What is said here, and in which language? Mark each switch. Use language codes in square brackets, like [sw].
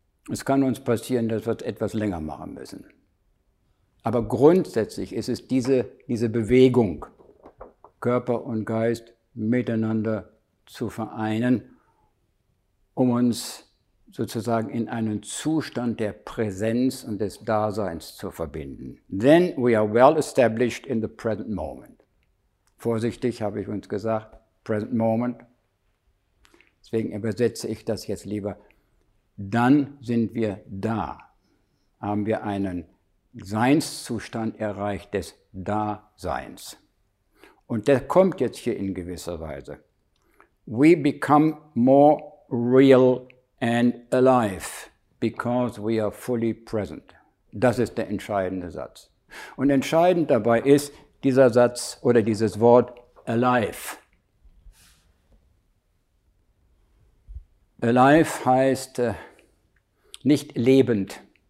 [de] Es kann uns passieren, dass wir es etwas länger machen müssen. Aber grundsätzlich ist es diese Bewegung, Körper und Geist miteinander zu vereinen, um uns sozusagen in einen Zustand der Präsenz und des Daseins zu verbinden. [en] Then we are well established in the present moment. [de] Vorsichtig habe ich uns gesagt, present moment. Deswegen übersetze ich das jetzt lieber. Dann sind wir da. Haben wir einen Seinszustand erreicht des Daseins. Und der kommt jetzt hier in gewisser Weise. [en] We become more real and alive because we are fully present. [de] Das ist der entscheidende Satz. Und entscheidend dabei ist dieser Satz oder dieses Wort alive. Alive heißt nicht lebend.